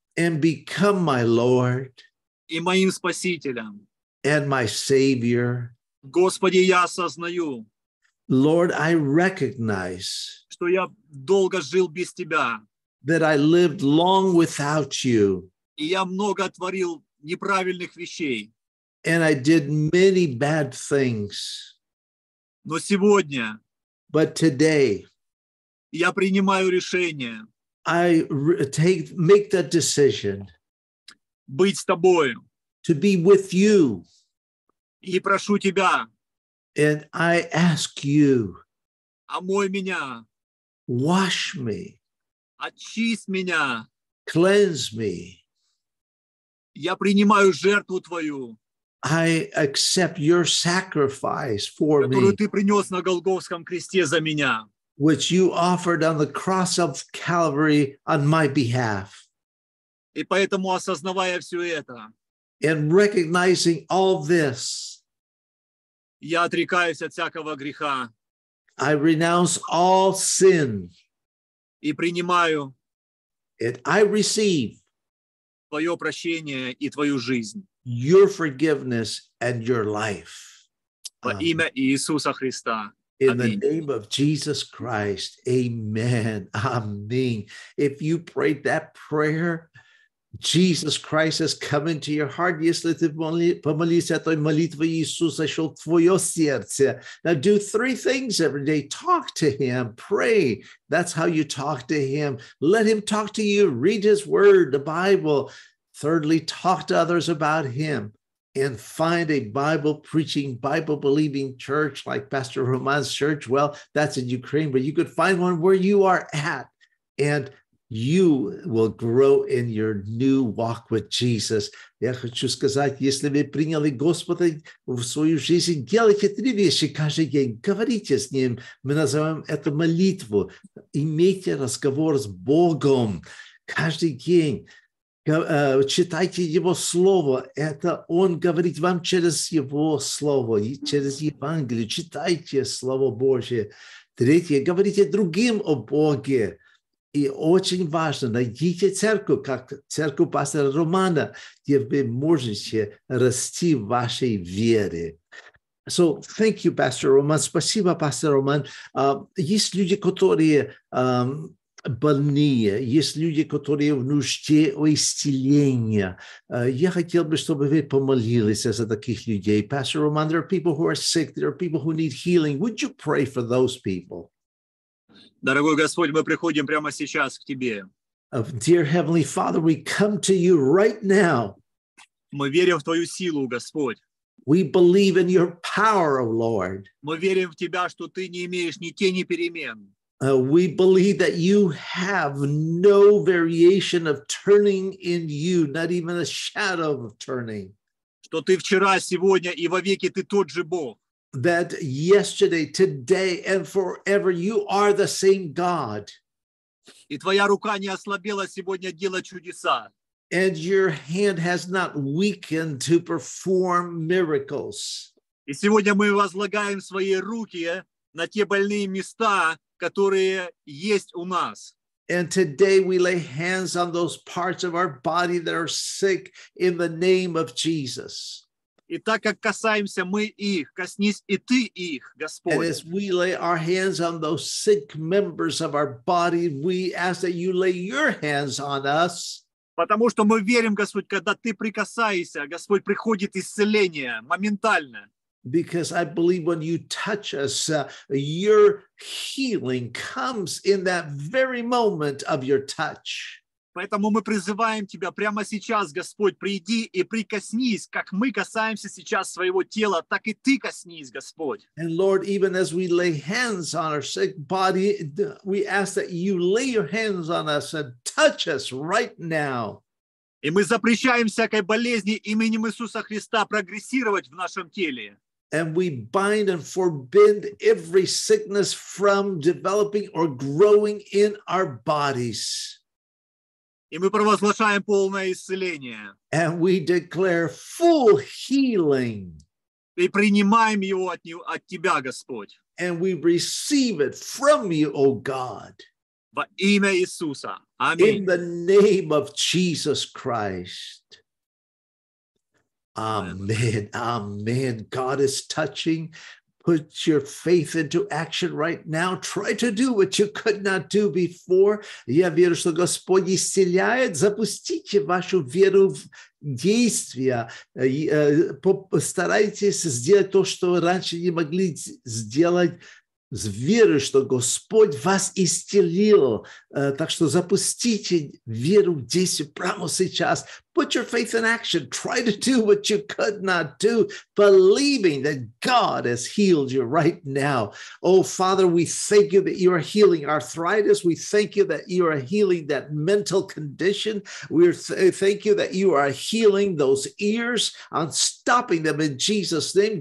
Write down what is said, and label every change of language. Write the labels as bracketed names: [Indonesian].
[English] And become my Lord. [Russian] И моим Спасителем. [English] And my Savior. [Russian] Господи, я осознаю. [English] Lord, I recognize. [Russian] Что я долго жил без тебя. [English] That I lived long without you. [Russian] И я много творил неправильных вещей. [English] And I did many bad things. [Russian] Но сегодня. [English] But today. [Russian] Я принимаю решение. [English] I make that decision [Russian] быть с тобой, [English] to be with you. [Russian] И прошу тебя, [English] and I ask you, [Russian] омой меня, [English] wash me, [Russian] очисть меня, [English] cleanse me. [Russian] Я принимаю жертву твою, [English] I accept your sacrifice for me, [Russian] которую ты принес на Голгофском кресте за меня, [English] which you offered on the cross of Calvary on my behalf. [Russian] И поэтому, осознавая все это, [English] and recognizing all this, [Russian] я отрекаюсь от всякого греха, [English] I renounce all sin. [Russian] И принимаю, [English] and I receive [Russian] твое прощение и твою жизнь, [English] your forgiveness and your life. [Russian] Во имя Иисуса Христа. [English] In the name of Jesus Christ, amen, amen. If you prayed that prayer, Jesus Christ has come into your heart. [Russian] Если ты помолился той молитвой, Иисус зашел в твое сердце. [English] Now do three things every day. Talk to him, pray. That's how you talk to him. Let him talk to you, read his word, the Bible. Thirdly, talk to others about him. And find a Bible-preaching, Bible-believing church like Pastor Roman's church. Well, that's in Ukraine, but you could find one where you are at. and you will grow in your new walk with Jesus. [Russian] Я хочу сказать, если вы приняли Господа в свою жизнь, делайте три вещи каждый день. Говорите с Ним. Мы называем это молитву. Имейте разговор с Богом каждый день. Читайте Его Слово. Это Он говорит вам через Его Слово, через Евангелие. Читайте Слово Божие. Третье, говорите другим о Боге. И очень важно, найдите церковь, как церковь пастора Романа, где вы можете расти в вашей вере. [English] So, thank you, Pastor Roman. [Russian] Спасибо, Pastor Roman. Есть люди, которые больные, есть люди, которые в нужде исцеления. Я хотел бы, чтобы вы помолились за таких людей. [English] Pastor Roman, there are people who are sick, there are people who need healing. Would you pray for those people? [Russian] Дорогой Господь, мы приходим прямо сейчас к Тебе. [English] Dear Heavenly Father, we come to You right now. [Russian] Мы верим в Твою силу, Господь. [English] We believe in Your power, O Lord. [Russian] Мы верим в Тебя, что Ты не имеешь ни тени перемен. [English] We believe that You have no variation of turning in You, not even a shadow of turning. [Russian] Что Ты вчера, сегодня и вовеки Ты тот же Бог. [English] That yesterday, today, and forever, You are the same God. [Russian] И твоя рука не ослабела сегодня делать чудеса. [English] And Your hand has not weakened to perform miracles. [Russian] И сегодня мы возлагаем свои руки на те больные места, которые есть у нас. [English] And today we lay hands on those parts of our body that are sick in the name of Jesus. [Russian] И так как касаемся мы их, коснись и ты их, Господь. [English] And as we lay our hands on those sick members of our body, we ask that You lay Your hands on us. [Russian] Потому что мы верим, Господь, когда Ты прикасаешься, Господь, приходит исцеление моментально. [English] Because I believe when You touch us, Your healing comes in that very moment of Your touch. [Russian] Поэтому мы призываем Тебя прямо сейчас, Господь, приди и прикоснись, как мы касаемся сейчас своего тела, так и Ты коснись, Господь. [English] And Lord, even as we lay hands on our sick body, we ask that You lay Your hands on us and touch us right now. [Russian] И мы запрещаем всякой болезни именем Иисуса Христа прогрессировать в нашем теле. [English] And we bind and forbid every sickness from developing or growing in our bodies. [Russian] И мы провозглашаем полное исцеление. [English] And we declare full healing. [Russian] И принимаем его от Тебя, Господь. [English] And we receive it from You, O God. [Russian] Во имя Иисуса. Аминь. [English] In the name of Jesus Christ. Amen. Amen. God is touching. Put your faith into action right now. Try to do what you could not do before. [Russian] Я верю, что Господь исцеляет. Запустите вашу веру в действия. Постарайтесь сделать то, что раньше не могли сделать. С верой, что Господь вас исцелил. Так что запустите веру в действие прямо сейчас. [English] Put your faith in action. Try to do what you could not do, believing that God has healed you right now. Oh, Father, we thank You that You are healing arthritis. We thank You that You are healing that mental condition. We thank You that You are healing those ears and stopping them in Jesus' name.